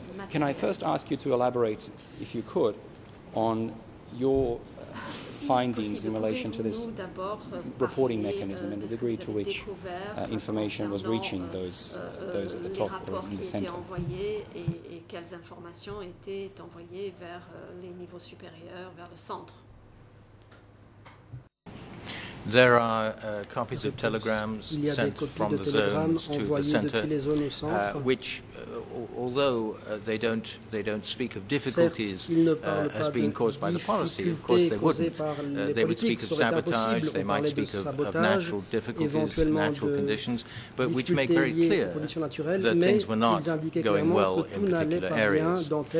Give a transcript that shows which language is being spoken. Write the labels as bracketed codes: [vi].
[en] Can I first ask you to elaborate, if you could, on your findings in relation to this reporting mechanism and the degree to which information was reaching those at the top or in the center? [fr] Quelles informations étaient envoyées vers les niveaux supérieurs, vers le centre? [en] There are copies of telegrams sent from the zones to the center, which, although they don't speak of difficulties as being caused by the policy, of course they wouldn't. They would speak of sabotage, they might speak of natural difficulties, natural conditions, but which make very clear that things were not going well in particular areas.